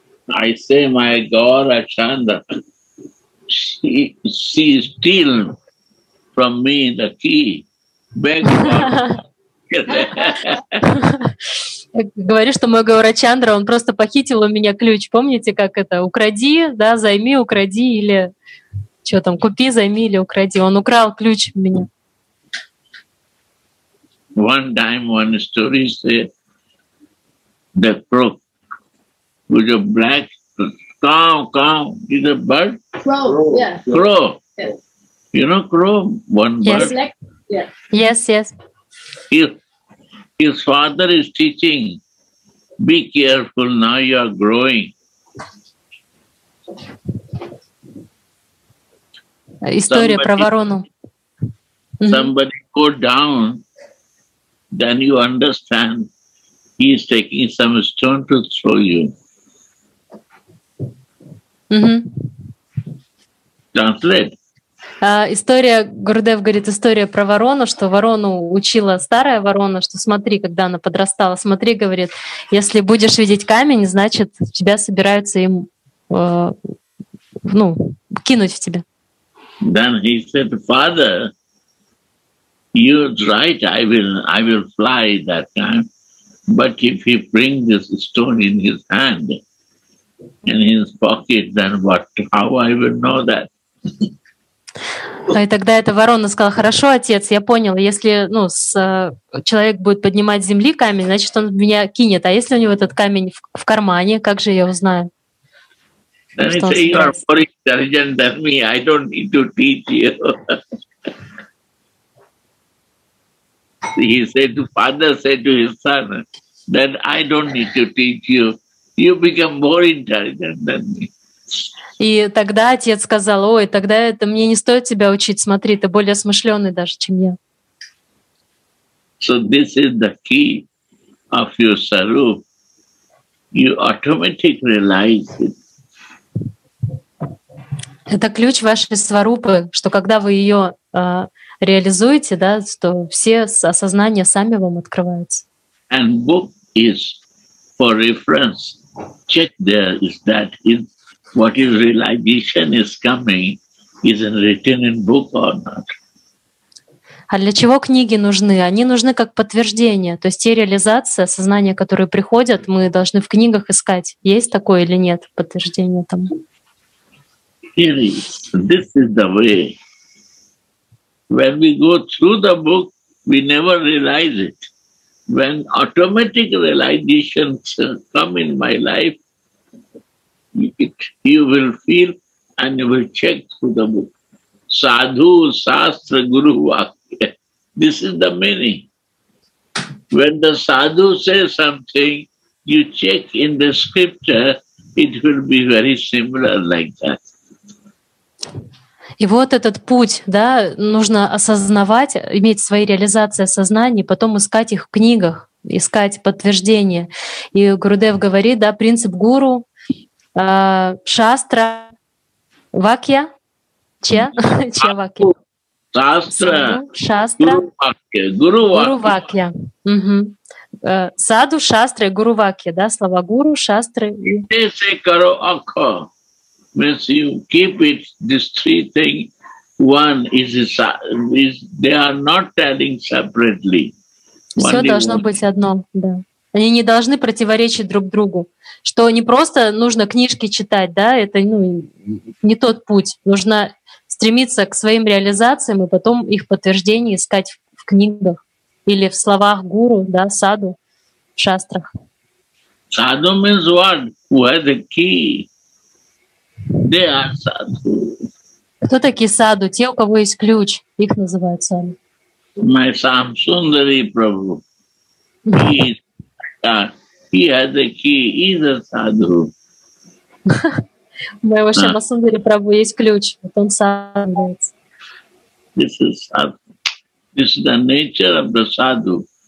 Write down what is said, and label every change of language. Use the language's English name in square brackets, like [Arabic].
[English] I say my Gaura Chanda, she is stealing from me the key. Beg for [Russian] Говорю, что мой Гаура Чандра, он просто похитил у меня ключ. Помните, как это? Укради, да, займи, укради, или что там, купи, займи или укради. Он украл ключ у меня. [English] One time one story said the crow with a black cow, cow, is a bird? Crow, crow. Yeah. Crow. Yes. You know crow, one yes. bird? Yes, yes. Yes. His father is teaching, be careful, now you are growing. [Russian] История про ворону. [English] Somebody go down, then you understand he is taking some stone to throw you. Translate. [Russian] История, Гурдев говорит, история про ворону, что ворону учила старая ворона, что смотри, когда она подрастала, смотри, говорит, если будешь видеть камень, значит, тебя собираются им, ну, кинуть в тебя. [English] Then he said, father, you're right, I will fly that time, but if he bring this stone in his hand, in his pocket, then what, how I will know that? [Russian] И тогда эта ворона сказала, хорошо, отец, я понял, если ну, человек будет поднимать с земли камень, значит, он меня кинет. А если у него этот камень в кармане, как же я узнаю? [English] Then he said, you are more intelligent than me, I don't need to teach you. He said, father said to his son, that I don't need to teach you, you become more intelligent than me. [Russian] И тогда отец сказал, ой, тогда это мне не стоит тебя учить, смотри, ты более смышленый даже, чем я. [English] So this is the key of your sarup. You automatically realize it. [Russian] Это ключ вашей сварупы, что когда вы ее реализуете, да, то все осознания сами вам открываются. [English] And book is for reference. Check there is that in what is realization is coming, is it written in book or not? [Russian] А для чего книги нужны? Они нужны как подтверждение. То есть те реализации, осознания, которые приходят, мы должны в книгах искать, есть такое или нет подтверждение там. [English] Really, this is the way. When we go through the book, we never realize it. When automatic realization come in my life, you will feel and you will check through the book. Sadhu, Sastra, Guru, Vakya. This is the meaning. When the sadhu says something, you check in the scripture, it will be very similar like that. [Russian] И вот этот путь, да, нужно осознавать, иметь свои реализации осознания, потом искать их в книгах, искать подтверждение. И Гурудев говорит, да, принцип гуру, Шастра, Вакья, Чья Вакья? Шастра, Шастра, Гуру Вакья. Гуру Вакья. Саду, Шастра и Гуру Вакья, да, слова Гуру, Шастры. Если ты [English] каро акха, means you keep it, these three things, one is they are not telling separately. [Russian] Все должно быть одно, да. Они не должны противоречить друг другу. Что не просто нужно книжки читать, да, это ну, не тот путь. Нужно стремиться к своим реализациям и потом их подтверждение искать в книгах или в словах гуру, да, саду, в шастрах. [English] Саду means what? Who has the key? They are sadhu. [Russian] Кто такие саду? Те, у кого есть ключ, их называют саду. [English] My Samsundari Prabhu. He has the key, he is a sadhu. My Shamasundari Prabhu has a ключ, but он sadhu. This is sadhu. This is the nature of the sadhu.